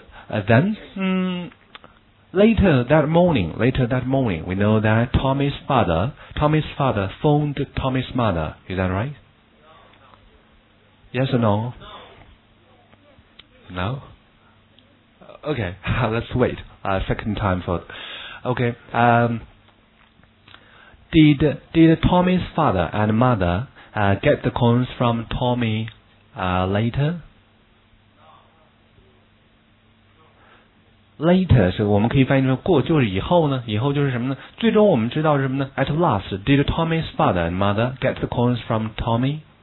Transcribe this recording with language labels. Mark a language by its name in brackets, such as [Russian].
[English] Later that morning, we know that Tommy's father phoned Tommy's mother, is that right? Yes or no? No? Okay, let's wait a second time for... Okay, did Tommy's father and motherget the coins from Tommy, later? [Chinese] Later, 是我们可以翻译成过，就是以后呢，以后就是什么呢？最终我们知道是什么呢？ [English] At last, did Tommy's father and mother get the coins from Tommy?